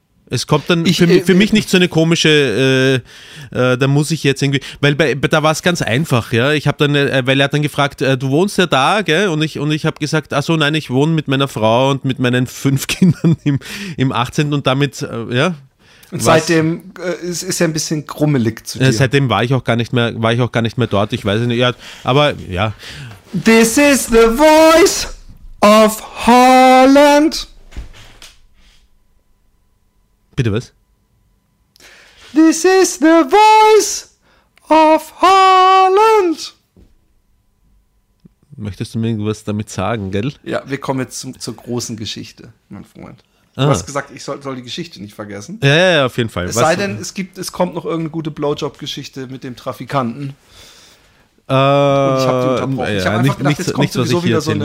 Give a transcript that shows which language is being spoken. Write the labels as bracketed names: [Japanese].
[German] Es kommt dann für mich nicht so eine komische, da muss ich jetzt irgendwie, weil da war es ganz einfach, ja, ich habe dann, weil er hat dann gefragt, du wohnst ja da, gell, und ich habe gesagt, ach so, nein, ich wohne mit meiner Frau und mit meinen 5 Kindern im 18. und damit, ja. Und seitdem ist er ein bisschen grummelig zu dir. Seitdem war ich auch gar nicht mehr dort, ich weiß nicht, ja, aber ja. [English] This is the voice of Holland. [German] Bitte was? [English] This is the voice of Holland. [German] Möchtest du mir irgendwas damit sagen, gell? Ja, wir kommen jetzt zur großen Geschichte, mein Freund. Du hast gesagt, ich soll die Geschichte nicht vergessen. Ja, ja, ja, auf jeden Fall. Es kommt noch irgendeine gute Blowjob-Geschichte mit dem Trafikanten. Ich habe einfach gedacht, jetzt kommt sowieso wieder